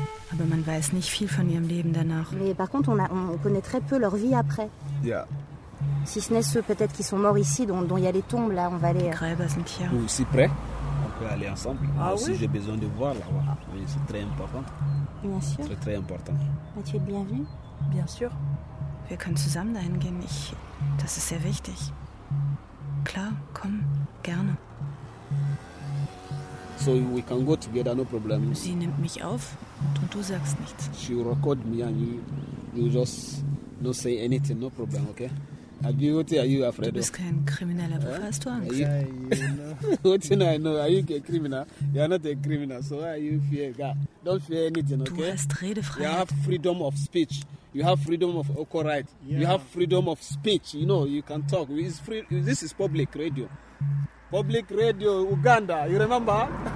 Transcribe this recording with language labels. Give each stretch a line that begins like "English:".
German: Aber man weiß nicht viel von ihrem Leben danach.
French: Mais par contre, on connaît très peu leur vie après.
German: Ja.
French: Si ce n'est ceux peut-être qui sont morts ici, dont il y a les tombes là, on va aller.
German: Gräber sind hier.
French: Ou si près, on peut aller ensemble. Ah, aussi, oui? J'ai besoin de voir là-bas. Oui, c'est très important. Bien sûr. C'est très important. Mais tu es bienvenu. Bien sûr.
German: Wir können zusammen dahin gehen. Das ist sehr wichtig. Klar, komm, gerne.
English: So we can go together, no problem.
German: Sie nimmt mich auf und du sagst nichts.
English: She record me and you just don't say anything, no problem, okay? Are you afraid?
German: Du bist kein Krimineller, wovor hast du Angst?
English: What do I know? Are you a criminal? You are not a criminal, so why are you fear? God? Don't fear anything, okay?
German: Du hast Redefreiheit.
English: You have freedom of speech. You have freedom of occur right. Yeah. You have freedom of speech. You know, you can talk. It's free. This is public radio. Public radio, Uganda. You remember?